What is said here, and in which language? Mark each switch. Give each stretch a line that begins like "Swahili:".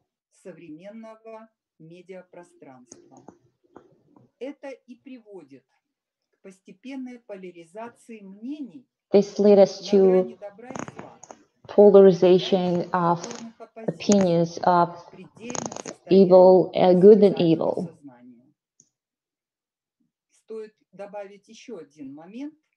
Russian: Современного медиапространства. Это и приводит к постепенной поляризации мнений.
English: This led us to polarization of opinions of evil, good and evil.
Russian: Стоит добавить еще один момент.